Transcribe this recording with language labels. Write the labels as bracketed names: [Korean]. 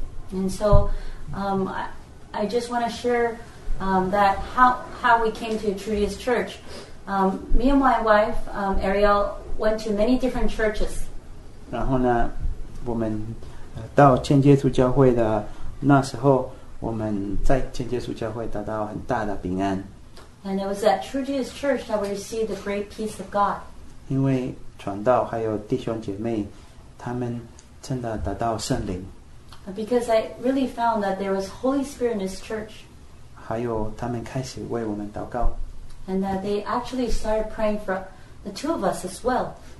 [English] And so, I just want to share, that how we came to Trudius Church. Me and my wife, Ariel, went to many different churches. [Chinese] 然后呢，我们到千接触教会的那时候，我们在千接触教会得到很大的平安。 [English] And it was at True Jesus Church that we received the great peace of God. [Chinese] 因为传道还有弟兄姐妹，他们真的得到圣灵。 [English] Because I really found that there was Holy Spirit in this church. [Chinese] 还有他们开始为我们祷告。 [English] And that they actually started praying for the two of us as well.